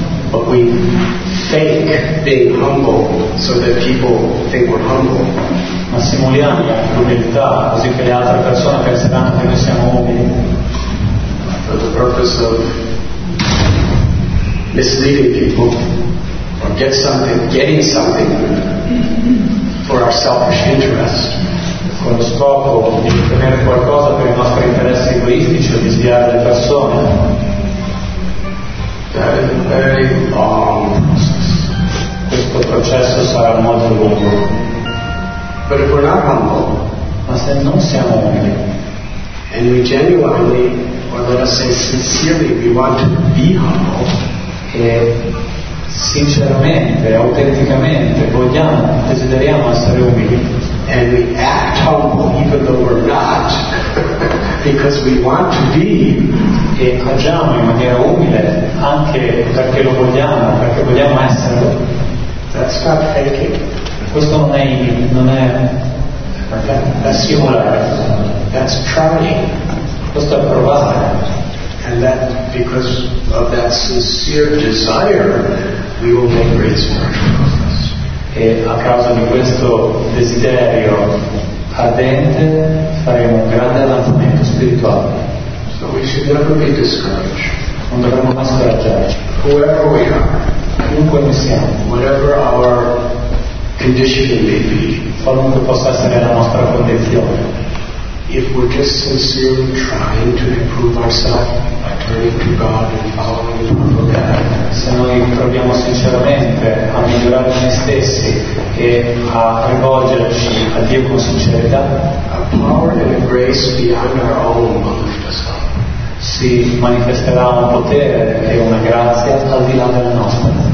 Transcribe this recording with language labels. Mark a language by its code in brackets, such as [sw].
[en] but we fake being humble so that people think we're humble, [it] ma simuliamo l'umiltà così che le altre persone penseranno che noi siamo umili. [en] For the purpose of misleading people or getting something for our selfish interest, [it] con lo scopo di ottenere qualcosa per i nostri interessi egoistici o di sviare le persone. [en] That is a very long process. [it] Questo processo sarà molto lungo. [en] But if we're not humble, [it] ma se non siamo umili, [en] and we genuinely, or let us say sincerely, we want to be humble, [it] e sinceramente, autenticamente, vogliamo, desideriamo essere umili, [en] and we act humble even though we're not, because we want to be, [it] e agiamo in maniera umile anche perché lo vogliamo, perché vogliamo esserlo, [en] that's not faking. [it] Questo non è perché simulare, [en] that's trying. [it] Questo è provare. [en] And that, because of that sincere desire, we will make great spiritual progress. [it] E a causa di questo desiderio ardente faremo un grande avanzamento spirituale. [en] So we should never be discouraged. [it] Non dovremmo mai scoraggiarci. [en] Whoever we are, [it] chiunque noi siamo, [en] whatever our conditioning may be, [it] qualunque possa essere la nostra condizione, [en] if we're just sincerely trying to improve ourselves by turning to God and following the will of God, [it] se noi proviamo sinceramente a migliorare noi stessi e a rivolgerci a Dio con sincerità, [en] a power and a grace beyond our own lift us up, [it] si manifesterà un potere e una grazia al di là del nostro.